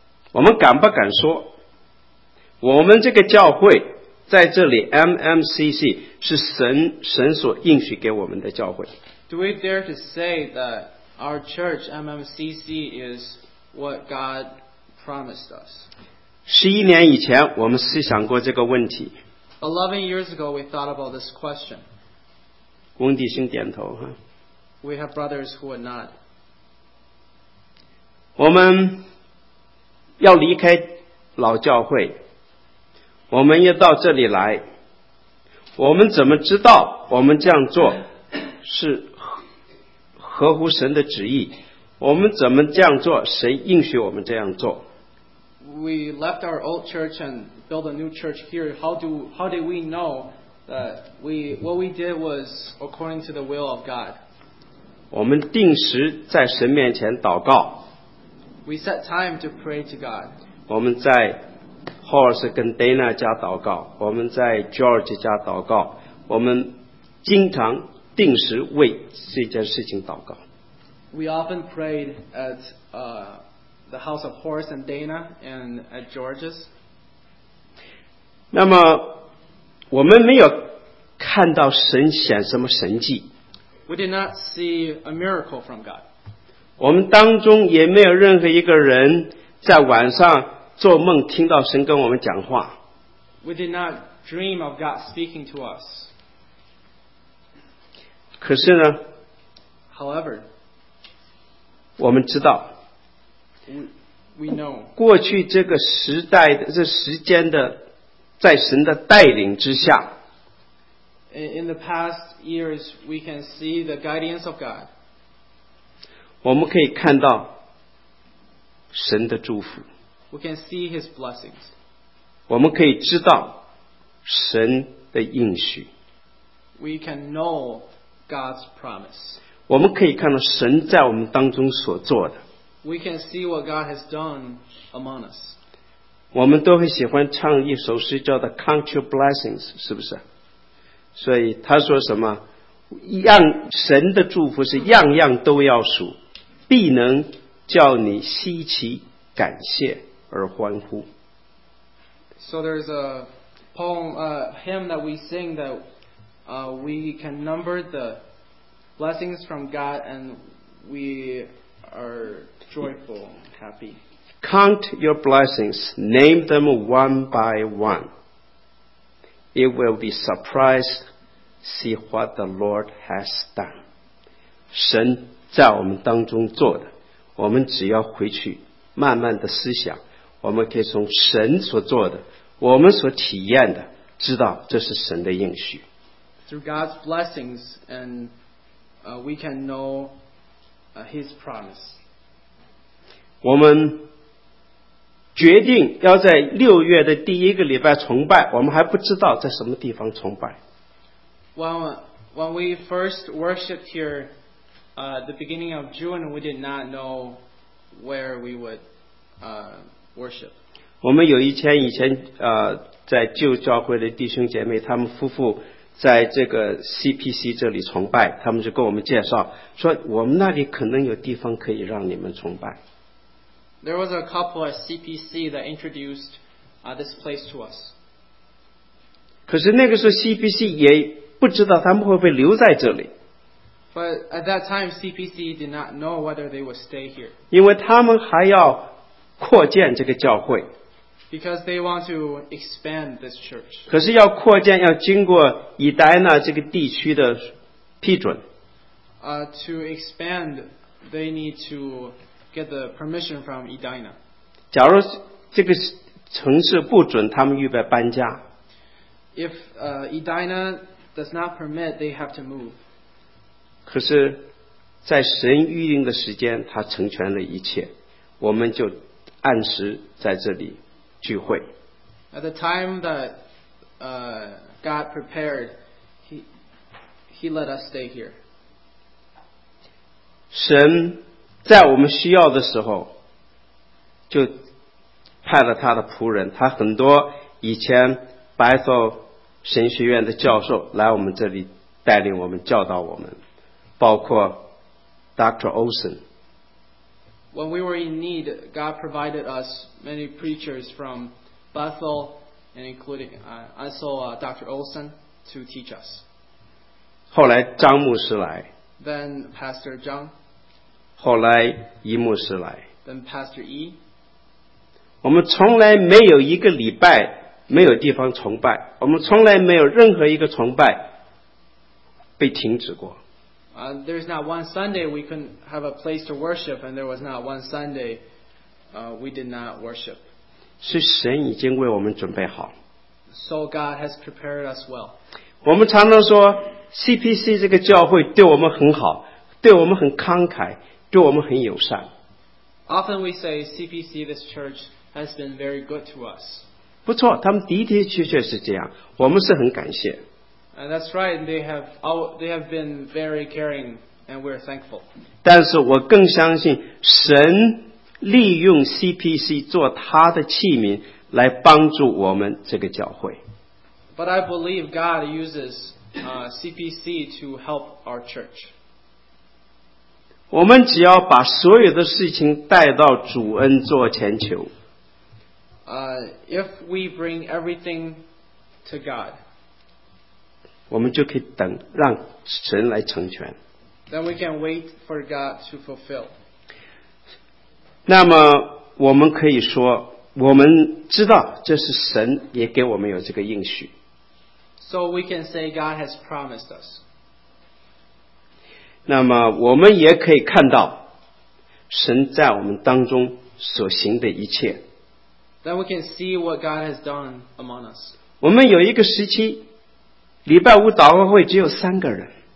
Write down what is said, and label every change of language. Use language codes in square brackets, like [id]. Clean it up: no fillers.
[zh] 我们敢不敢说我们这个教会在这里 MMCC 是 神所应许给我们的教会。 [en] Do we dare to say that our church, MMCC, is what God promised us? [zh] 11年以前我们思想过这个问题。 [en] 11 years ago, we thought about this question. [zh] 翁弟兄点头。 [en] We have brothers who would not. [zh] 我们要离开老教会，我们也到这里来，我们怎么知道我们这样做是合乎神的旨意？我们怎么这样做？谁应许我们这样做？ [en] We left our old church and built a new church here. How did we know that what we did was according to the will of God? [zh] 我们定时在神面前祷告。 [en] We set time to pray to God. [zh] 我们在或者是跟 Dana 家祷告，我们在 George 家祷告，我们经常定时为这件事情祷告。 [en] We often prayed at the house of Horace and Dana and at George's. [zh] 那么我们没有看到神显什么神迹。 [en] We did not see a miracle from God. [zh] 我们当中也没有任何一个人在晚上做梦听到神跟我们讲话。 [en] We did not dream of God speaking to us. [zh] 可是呢 [en] ？However， [zh] 我们知道。 [en] We know. [zh] 过去这个时代的这时间的，在神的带领之下。 [en] In the past years, we can see the guidance of God. [zh] 我们可以看到神的祝福。 [en] We can see his blessings. [zh] 我们可以知道神的应许。 [en] We can know God's promise. [zh] 我们可以看到神在我们当中所做的。 [en] We can see what God has done among us. [zh] 我们都会喜欢唱一首诗叫的 Count Your Blessings, 是不是？所以他说什么？样神的祝福是样样都要数，必能叫你稀奇感谢。而欢呼。 [en] So there's a poem, a hymn that we sing that we can number the blessings from God and we are joyful, happy. Count your blessings, name them one by one. You will be surprised, see what the Lord has done. [zh] 神在我们当中做的，我们只要回去慢慢的思想。我们可以从神所做的，我们所体验的，知道这是神的应许。 [en] Through God's blessings, and we can know His promise. [zh] 我们决定要在六月的第一个礼拜崇拜，我们还不知道在什么地方崇拜。 [en] When we first worshipped here, the beginning of June, we did not know where we would. Worship. [zh] 我们有一天以前在旧教会的弟兄姐妹他们夫妇在这个 CPC 这里崇拜，他们就跟我们介绍说我们那里可能有地方可以让你们崇拜。 [en] There was a couple at CPC that introduced this place to us. [zh] 可是那个时候 CPC 也不知道他们会不会留在这里。 [en] But at that time CPC did not know whether they would stay here. [zh] 因为他们还要扩建这个教会。 [en] Because they want to expand this church. [zh] 可是要扩建要经过以丹娜这个地区的批准。 [en] To expand they need to get the permission from Edina. [zh] 假如这个城市不准，他们预备搬家。 [en] If Edina does not permit, they have to move. [zh] 可是，在神预定的时间，他成全了一切，我们就按时在这里聚会。 [en] At the time that God prepared, He let us stay here. [zh] 神在我们需要的时候，就派了他的仆人，他很多以前白所神学院的教授来我们这里带领我们教导我们，包括 Dr. [en] Olson。 When we were in need, God provided us many preachers from Bethel, and including Dr. Olson to teach us. [zh] 后来张牧师来。 [en] Then Pastor John. [zh] 后来伊牧师来。 [en] Then Pastor E. [zh] 我们从来没有一个礼拜没有地方崇拜，我们从来没有任何一个崇拜被停止过。 [en] There is not one Sunday we couldn't have a place to worship, and there was not one Sunday we did not worship. [zh] 是神已经为我们准备好。 [en] So God has prepared us well. [zh] 我们常常说 CPC 这个教会对我们很好，对我们很慷慨，对我们很友善。 [en] Often we say CPC, this church, has been very good to us. [zh] 不错，他们的的确确是这样，我们是很感谢。 [en] And that's right, they have been very caring, and we're thankful. [zh] 但是我更相信神利用 CPC 做他的器皿来帮助我们这个教会。 [en] But I believe God uses CPC to help our church. [zh] 我们只要把所有的事情带到主恩座前求。 [en] If we bring everything to God, [zh] 我们就可以等让神来成全。 [en] Then we can wait for God to fulfill. [zh] 那么我们可以说，我们知道这是神也给我们有这个应许。 [en] So we can say God has promised us. [zh] 那么我们也可以看到神在我们当中所行的一切。 [en] Then we can see what God has done among us. [zh] 我们有一个时期，礼拜五祷告会只有三个人。